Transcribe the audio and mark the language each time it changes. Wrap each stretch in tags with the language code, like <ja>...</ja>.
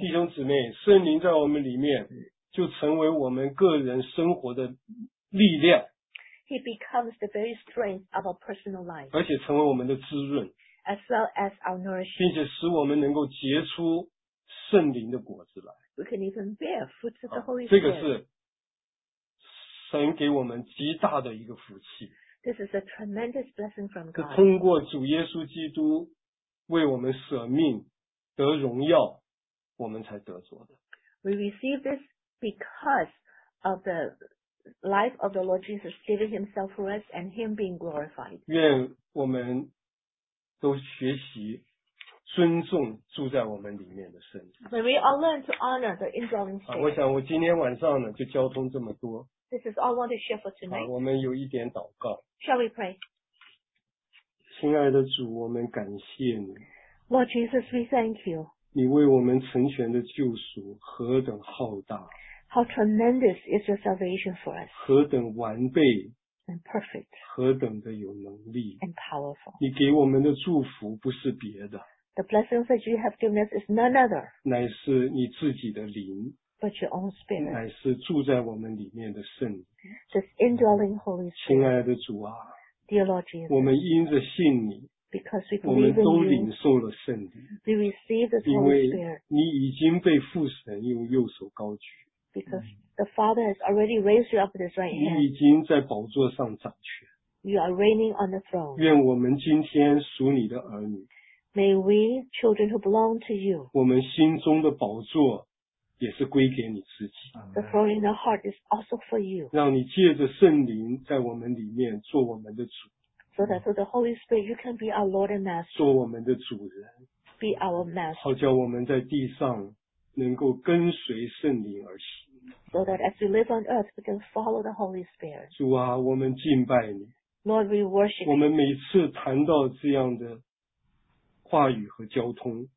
<zh>弟兄姊妹，圣灵在我们里面就成为我们个人生活的力量。</zh> <en>He becomes the very strength of our personal life.</en> <zh>而且成为我们的滋润。</zh> <en>As well as our nourishment,</en> <zh>并且使我们能够结出圣灵的果子来。</zh> <en>We can even bear fruits of the Holy Spirit.</en> <zh>这个是神给我们极大的一个福气。</zh> <en>This is a tremendous blessing from God.</en> <zh>是通过主耶稣基督为我们舍命得荣耀，我们才得着的。</zh> <en>We receive this because of the life of the Lord Jesus giving Himself for us and Him being glorified.</en> <zh>愿我们都学习尊重住在我们里面的圣灵。</zh> <en>We all learn to honor the indwelling spirit.</en> <zh>我想我今天晚上呢就交通这么多。</zh> <en>This is all I want to share for tonight.</en> <zh>我们有一点祷告。</zh> <en>Shall we pray?</en> <zh>亲爱的主，我们感谢你。</zh> <en>Lord Jesus, we thank you.</en> <zh>你为我们成全的救赎何等浩大。</zh> <en>How tremendous is your salvation for us?</en> <zh>何等完备。</zh> <en>And perfect.</en> <zh>何等的有能力。</zh> <en>And powerful.</en> <zh>你给我们的祝福不是别的。</zh> <en>The blessings that you have given us is none other.</en> <zh>乃是你自己的灵。</zh> <en>But your own spirit.</en> <zh>乃是住在我们里面的圣灵。</zh> <en>This indwelling Holy Spirit.</en> <zh>亲爱的主啊。</zh> <en>Dear Lord Jesus.</en> <zh>我们因着信你。</zh> <en>Because we believe in you.</en> <zh>我们都领受了圣灵。</zh> <en>We receive this Holy Spirit.</en> <zh>因为你已经被父神用右手高举。</zh> <en>Because the Father has already raised you up with His right hand.</en> <zh>你已经在宝座上掌权。</zh> <en>You are reigning on the throne.</en> <zh>愿我们今天属你的儿女。</zh> <en>May we, children who belong to you.</en> <zh>我们心中的宝座也是归给你自己。</zh> <en>The throne in the heart is also for you.</en> <zh>让你借着圣灵在我们里面做我们的主。</zh> <en>So that through the Holy Spirit you can be our Lord and Master.</en> <zh>做我们的主人。</zh> <en>Be our Master.</en> <zh>好叫我们在地上能够跟随圣灵而行。</zh> <en>So that as we live on earth, we can follow the Holy Spirit.</en> <zh>主啊，我们敬拜你。</zh> <en>Lord, we worship.</en> <zh>我们每次谈到这样的话语和交通。</zh>